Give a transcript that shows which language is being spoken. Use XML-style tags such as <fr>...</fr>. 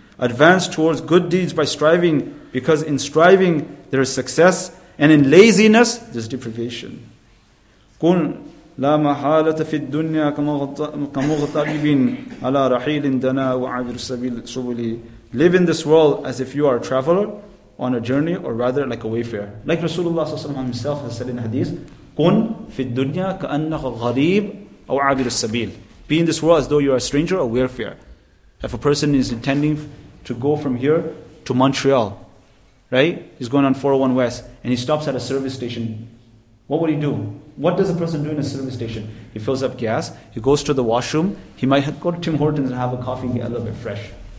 <en>Advance towards good deeds by striving, because in striving there is success, and in laziness there is deprivation.</en> <ar>قل لا محالة في الدنيا كمغتربا على رحيل دنا وعبر سبيلي.</ar> <en>Live in this world as if you are a traveler on a journey, or rather like a wayfarer. Like Rasulullah ﷺ himself has said in hadith,</en> <ar>كن في الدنيا كأنك غريب أو عابر السبيل.</ar> <en>Be in this world as though you are a stranger or wayfarer. If a person is intending to go from here to Montreal, right? He's going on 401 West and he stops at a service station. What would he do? What does a person do in a service station? He fills up gas, he goes to the washroom, he might go to Tim Hortons and have a coffee and get a little bit fresh.</en>